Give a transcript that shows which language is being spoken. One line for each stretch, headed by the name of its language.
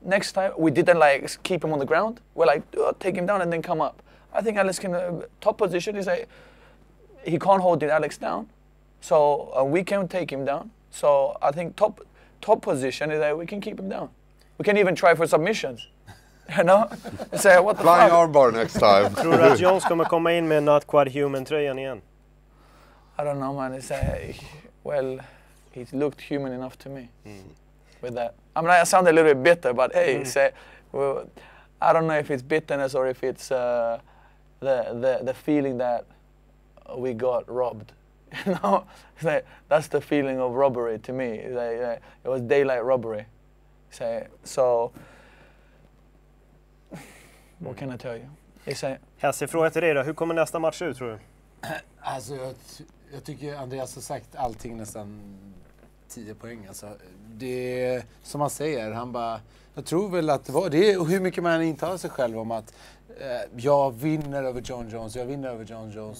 English: Next time we didn't like keep him on the ground. We're like, oh, take him down and then come up. I think Alex can top position. He's like, he can't hold Alex down, so we can take him down. So I think top position is that we can keep him down. We can even try for submissions, you know. Say what the flying armbar next time.
Swedish: Tror du att Jones kommer komma in med
English: not quite human
Swedish: tröjan igen?
English: I don't know, man. It's well, he looked human enough to me with that. I mean, I sound a little bit bitter, but hey, say, well, I don't know if it's bitterness or if it's the feeling that we got robbed. You know, like, that's the feeling of robbery to me. Like, it was daylight robbery. Say, so, what can I tell you?
Swedish: Hesse, fråga till dig då. Hur kommer nästa match ut, tror du? Alltså, jag tycker Andreas har sagt allting nästan 10 poäng. Alltså, det är som han säger, han bara, jag tror väl att det var det. Och hur mycket man intalar sig själv om att jag vinner över John Jones, jag vinner över John Jones.